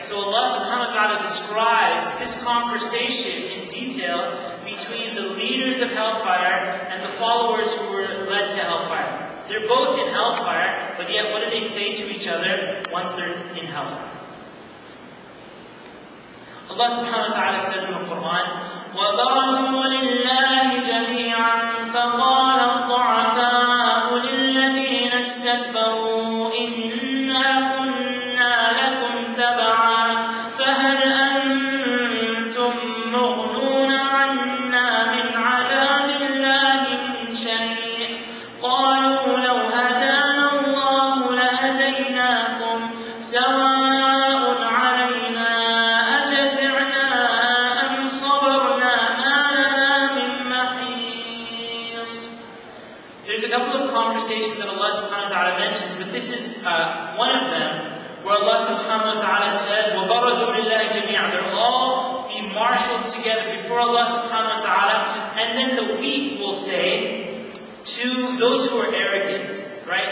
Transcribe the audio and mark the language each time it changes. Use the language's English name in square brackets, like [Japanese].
[English] So Allah subhanahu wa ta'ala describes this conversation in detail between the leaders of Hellfire and the followers who were led to Hellfire. They're both in Hellfire, but yet what do they say to each other once they're in Hellfire? Allah subhanahu wa ta'ala says in the Quran, [Arabic] وَبَرَزُوا لِلَّهِ جَمِيعًا فَقَالَ الضُّعَفَاءُ لِلَّذِينَ اسْتَكْبَرُوا إِنَّا كُنَّا لَكُمْ تَبَعًا فَهَلْ أَنْتُمْ مُغْنُونَ عَنَّا مِنْ عَذَابِ اللَّهِ مِنْ شَيْءٍ قَالُوا لَوْ هَدَانَا اللَّهُ لَهَدَيْنَاكُمْ سَوَاءٌ عَلَيْنَا أَجَزِعْنَا أَمْ صَبَرْنَا مَا لَنَا مِنْ مَحِيصٍ. [English] There's a couple of conversations that Allah subhanahu wa ta'ala mentions, but this is one of them, where Allah subhanahu wa ta'ala says, [Arabic] وَبَرَزُوا لِلَّهِ جَمِيعًا. [English] They'll all be marshaled together before Allah subhanahu wa ta'ala, and then the weak will say to those who are arrogant, right?